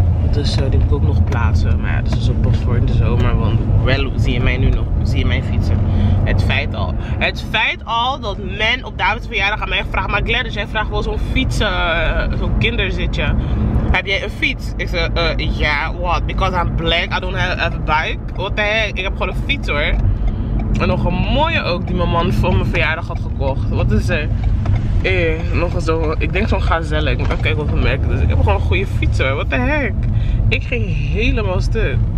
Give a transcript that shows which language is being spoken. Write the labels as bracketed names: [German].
[Dutch] Dus die moet ik ook nog plaatsen. Maar ja, dat is ook pas voor in de zomer. Want wel zie je mij nu nog. Zie je mij fietsen. Het feit al dat men op David's verjaardag aan mij vraagt. Maar Gladys, jij vraagt wel zo'n fietsen. Zo'n kinderzitje. heb jij een fiets? Ik zei, ja, [English] what? Because I'm black, I don't have a bike. What the heck? [Dutch] Ik heb gewoon een fiets hoor. En nog een mooie ook, die mijn man voor mijn verjaardag had gekocht. Wat is er? Nog eens zo, ik denk zo'n gazelle. Ik moet even kijken wat we merken. Dus ik heb gewoon een goede fiets hoor. [English] What the heck? [Dutch] Ik ging helemaal stuk.